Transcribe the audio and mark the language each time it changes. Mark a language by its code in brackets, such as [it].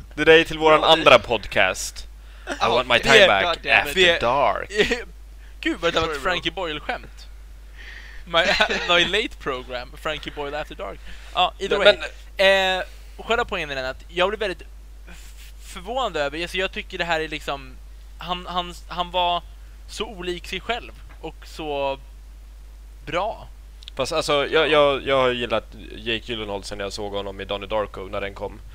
[sv] Det är dig till våran andra podcast. [en] I want my time back after dark. [sv] Gud, vad det var ett Frankie Boyle-skämt. [en] My late program, Frankie Boyle after dark. [sv] Ja, [en] either way. [sv] Själva poängen är att jag blev väldigt förvånad över, alltså jag tycker det här är liksom, han var så olik sig själv och så bra. Fast alltså, jag har gillat Jake Gyllenhaal sen jag såg honom i Donnie Darko när den kom.